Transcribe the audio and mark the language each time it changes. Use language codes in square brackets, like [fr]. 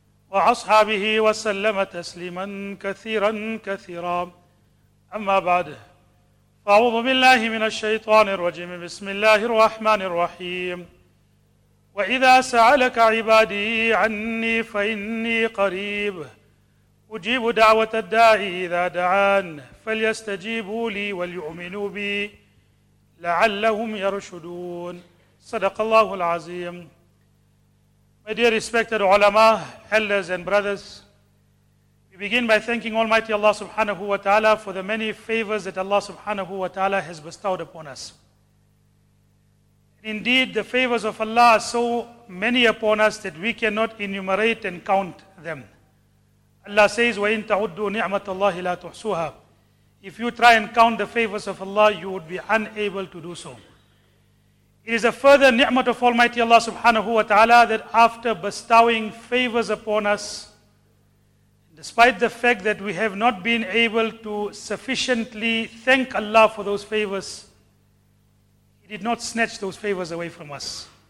[ar] وأصحابه وسلم تسليما كثيرا كثيرا أما بعد فأعوذ بالله من الشيطان الرجيم بسم الله الرحمن الرحيم وإذا سألك عبادي عني فإني قريب أجيب دعوة الداعي إذا دعان فليستجيبوا لي وليؤمنوا بي لعلهم يرشدون صدق الله العظيم. [en] My dear respected ulama, elders and brothers, we begin by thanking Almighty Allah subhanahu wa ta'ala for the many favors that Allah subhanahu wa ta'ala has bestowed upon us. Indeed, the favors of Allah are so many upon us that we cannot enumerate and count them. Allah says, [ar] وَإِن تَعُدُّوا نِعْمَةَ اللَّهِ لَا تُحْصُوهَا. [en] If you try and count the favors of Allah, you would be unable to do so. It is a further ni'mat of Almighty Allah subhanahu wa ta'ala that after bestowing favors upon us, despite the fact that we have not been able to sufficiently thank Allah for those favors, He did not snatch those favors away from us.